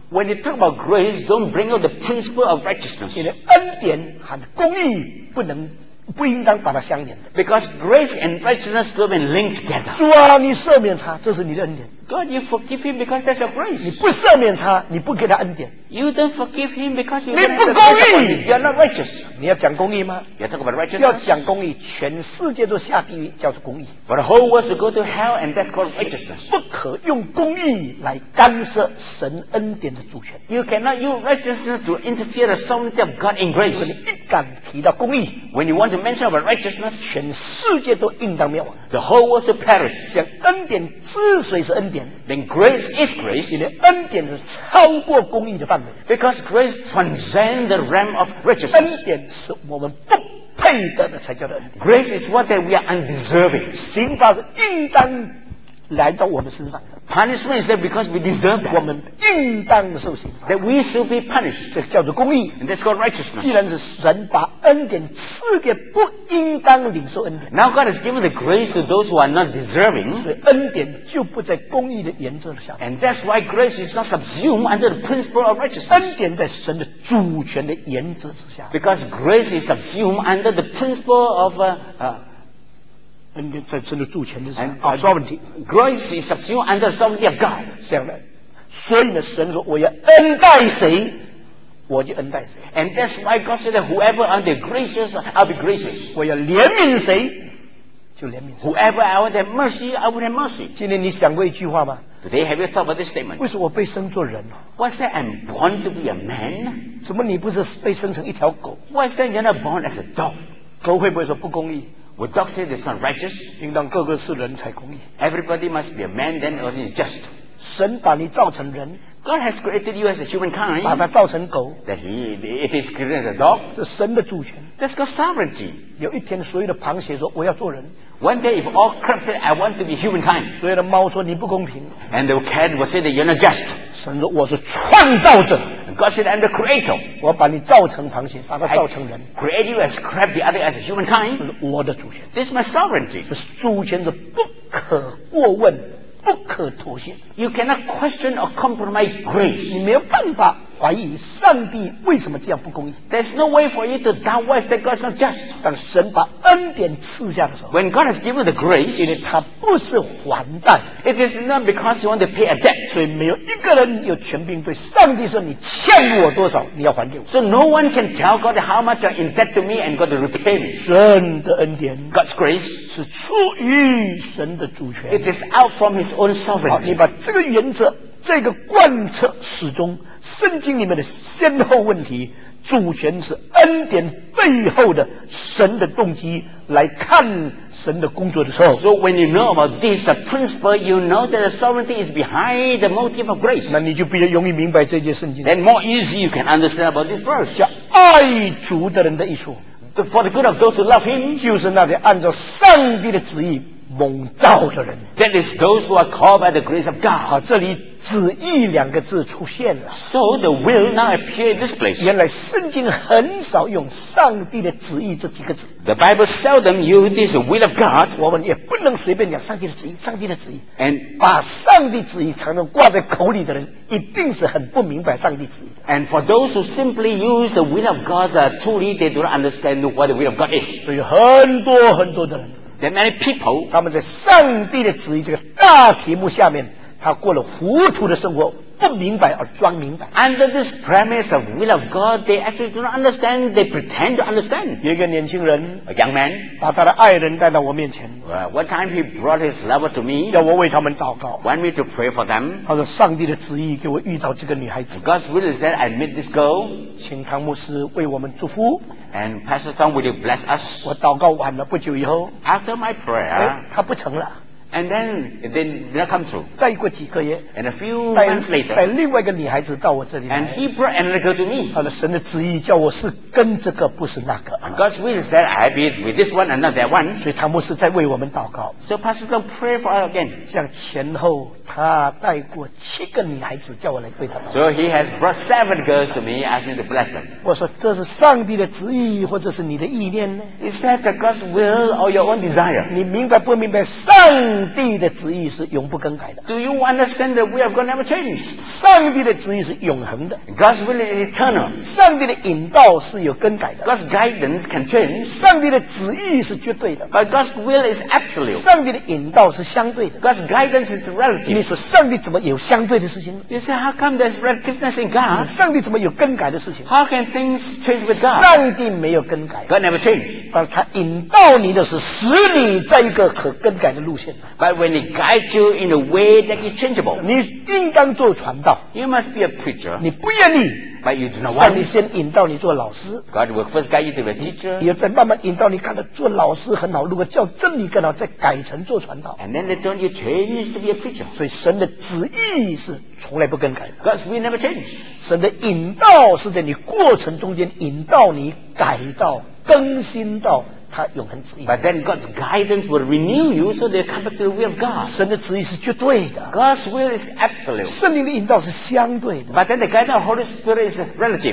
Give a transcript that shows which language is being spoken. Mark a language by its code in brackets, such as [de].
[en] When you talk about grace, don't bring out the principle of righteousness. [zh] 因为恩典和公义不能不应当把它相连的。 [en] Because grace and righteousness will be linked together. [zh] 主啊，你赦免他，这是你的恩典。 [en] God, you forgive him because that's your grace. [zh] 你不赦免他，你不给他恩典。 [en] You don't forgive him because you [zh] 你不公义。 [en] You're not righteous. [zh] 你要讲公义吗 [en] ？You talk about righteousness. [zh] 要讲公义，全世界都下地狱，叫做公义。 [en] For the whole world to go to hell, and that's called righteousness. [zh] 不可用公义来干涉神恩典的主权。 [en] You cannot use righteousness to interfere the sovereignty of God in grace. [zh] 如果你一旦提到公义 [en] ，When you want to mention about righteousness, [zh] 全世界都应当灭亡。 [en] The whole world to perish. [zh] 讲恩典之所以是恩典。 [en] Then grace is grace. [zh] 你的恩典是超过公义的范围。 [en] Because grace transcends the realm of righteousness. [zh] 恩典是我们不配得的才叫的恩典。 [en] Grace is what that we are undeserving. [zh] 刑罚是应当来到我们身上的。 [en] Punishment is that because we deserve that. [zh] 我们应当受刑罚。 [en] That we should be punished. [zh] 这叫做公义。 [en] And that's called righteousness. [zh] 既然是神把恩典赐给不应当领受恩典。 [en] Now God has given the grace to those who are not deserving. [zh] 所以恩典就不在公义的原则下。 [en] And that's why grace is not subsumed under the principle of righteousness. [zh] 恩典在神的主权的原则之下。 [en] Because grace is subsumed under the principle of [zh] 恩典在神的主权之下 ， [en] sovereignty. Grace is subsumed under sovereignty of God. [zh] 这样的，所以呢，神说我要恩待谁，我就恩待谁。 [en] And that's why God said that whoever I'm the gracious, I'll be gracious. [zh] 我要怜悯谁，就怜悯谁。 [en] Whoever I want have mercy, I will have mercy. [zh] 今天你想过一句话吗 [en] ？Today have you thought about this statement? [zh] 为什么我被生做人 [en] ？What's that? I'm born to be a man. [zh] 怎么你不是被生成一条狗 [en] ？What's that? You're not born as a dog. [zh] 狗会不会说不公义？ [en] Would God say it's not righteous? [zh] 应当个个是人才公义。 [en] Everybody must be a man, then also be just. [zh] 神把你造成人。 [en] God has created you as a humankind. [zh] 把他造成狗。 [en] That he it is created a dog. [zh] 是神的主权。 [en] That's God's sovereignty. [zh] 有一天，所有的螃蟹说：“我要做人。” [en] One day, if all crabs said, "I want to be humankind," [zh] 所有的猫说：“你不公平。” [en] And the cat would say that you're not just. [zh] 神说：“我是创造者。” [en] God said, "I'm the creator." [zh] 我把你造成螃蟹，把它造成人。 [en] I create you as crab, the other as humankind. [zh] 我的主权。 [en] This is my sovereignty. [zh] 这是主权是不可过问。不可妥协。 [en] You cannot question or compromise grace. [zh] 你没有办法怀疑上帝为什么这样不公义。 [en] There's no way for you to doubt why that God's not just. [zh] 当神把恩典赐下的时候 [en] ，When God has given the grace, [zh] 因为他不是还债。 [en] It is not because you want to pay a debt. [zh] 所以没有一个人有权柄对上帝说你欠我多少，你要还给我。 [en] So no one can tell God how much you're in debt to me and God to repay me. [zh] 神的恩典 [en] ，God's grace. [zh] 是出于神的主权。 [en] It is out from His own sovereignty. [zh] 你把这个原则，这个贯彻始终，圣经里面的先后问题，主权是恩典背后的神的动机来看神的工作的时候。 [en] So when you know about this principle, you know that the sovereignty is behind the motive of grace. [zh] 那你就比较容易明白这节圣经。 [en] Then more easy you can understand about this verse. [zh] 叫爱主的人的益处。 [en] for the good of those who love him. [zh] 就是那些按照上帝的旨意蒙召的人。 [en] That is those who are called by the grace of God. [zh] 好，这里旨意两个字出现了。 [en] So the will now appear in this place. [zh] 原来圣经很少用上帝的旨意这几个字。 [en] The Bible seldom uses this will of God. [zh] 我们也不能随便讲上帝的旨意，上帝的旨意。 [en] And [zh] 把上帝旨意常常挂在口里的人，一定是很不明白上帝旨意的。 [en] And for those who simply use the will of God, truly they do not understand what the will of God is. [zh] 所以很多很多的人。 [en] That many people, [zh] 他们在上帝的旨意这个大题目下面，他过了糊涂的生活，不明白而装明白。 [en] Under this premise of will of God, they actually do not understand. They pretend to understand. [zh] 有一个年轻人 [en] ，a young man， [zh] 把他的爱人带到我面前。 [en] Well, one time he brought his lover to me， [zh] 要我为他们祷告。 [en] Want me to pray for them？ [zh] 他说上帝的旨意给我遇到这个女孩子。 [en] God's will is that I meet this girl。 [zh] 请唐牧师为我们祝福。 [en] And Pastor Tom, will you bless us? [zh] 我祷告完了不久以后 [en] ，After my prayer， [zh] 他不成了。 [en] And then it did not come through. [zh] 再过几个月 [en] ，and a few months later， [zh] 带另外一个女孩子到我这里来 [en] ，and he brought another girl to me. [zh] 他的神的旨意叫我是跟这个不是那个。 [en] And God's will is that I be with this one and not that one. [zh] 所以汤姆斯在为我们祷告。 [en] So Pastor Tom pray for us again. [zh] 像前后他带过七个女孩子叫我来为他祷告。 [en] So he has brought seven girls to me, asking to bless them. [zh] 我说这是上帝的旨意，或者是你的意念呢 [en] ？Is that God's will or your own desire? [zh] 你明白不明白上？上帝的旨意是永不更改的。 [en] Do you understand that we have got never changed? [zh] 上帝的旨意是永恒的。 [en] God's will is eternal. [zh] 上帝的引导是有更改的。 [en] God's guidance can change. [zh] 上帝的旨意是绝对的。 [en] But God's will is absolute. [zh] 上帝的引导是相对的。 [en] God's guidance is relative. [zh] 你说上帝怎么有相对的事情？ [en] You say how come there's relativeness in God? [zh] 上帝怎么有更改的事情？ [en] How can things change with God? [zh] 上帝没有更改。 [en] God never changed. [zh] 但他引导你的是使你在一个可更改的路线。 [en] But when he guides you in a way that is changeable, [zh] 你应当做传道。 [en] You must be a preacher. [zh] 你不愿意。 [en] But you do not want. [zh] 上帝先引导你做老师。 [en] God will first guide you to be a teacher. [zh] 你要再慢慢引导你，看到做老师很好，如果叫真理更好，再改成做传道。 [en] And then later on you change to be a preacher. [zh] 所以神的旨意是从来不更改的。 [en] God's will never change. [zh] 神的引导是在你过程中间引导你改到更新到。 [en] But then God's guidance will renew you so they come back to the will of God. [zh] 神的旨意是绝对的。 [en] God's will is absolute. [zh] 圣灵的引导是相对的。 [en] But then the guidance of the Holy Spirit is relative.